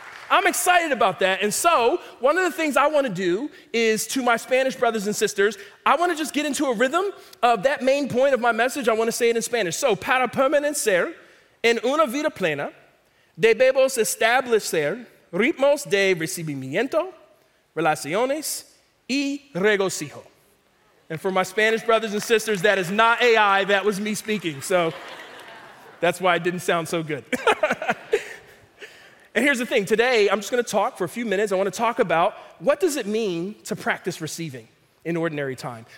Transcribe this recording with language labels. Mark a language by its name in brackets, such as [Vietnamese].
[English] I'm excited about that. And so one of the things I want to do is to my Spanish brothers and sisters, I want to just get into a rhythm of that main point of my message. I want to say it in Spanish. [Spanish] So para permanecer en una vida plena, debemos establecer ritmos de recibimiento, relaciones y regocijo. [English] And for my Spanish brothers and sisters, that is not AI, that was me speaking. So that's why it didn't sound so good. And here's the thing, today I'm just gonna talk for a few minutes. I wanna talk about what does it mean to practice receiving in ordinary time?